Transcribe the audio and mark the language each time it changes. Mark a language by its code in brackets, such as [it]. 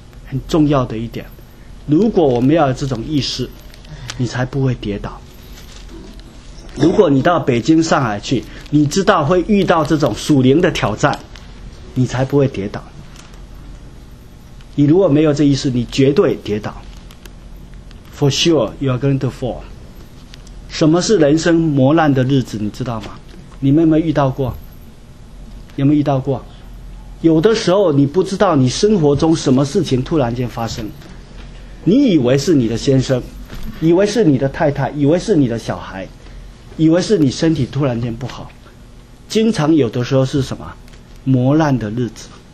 [zh] 很重要的一点，如果我们要有这种意识，你才不会跌倒。如果你到北京、上海去，你知道会遇到这种属灵的挑战，你才不会跌倒。你如果没有这意识，你绝对跌倒。 [en] For sure, you are going to fall. [zh] 什么是人生磨难的日子，你知道吗？你们有没有遇到过？有没有遇到过？有的时候你不知道你生活中什么事情突然间发生，你以为是你的先生，以为是你的太太，以为是你的小孩，以为是你身体突然间不好，经常有的时候是什么磨难的日子，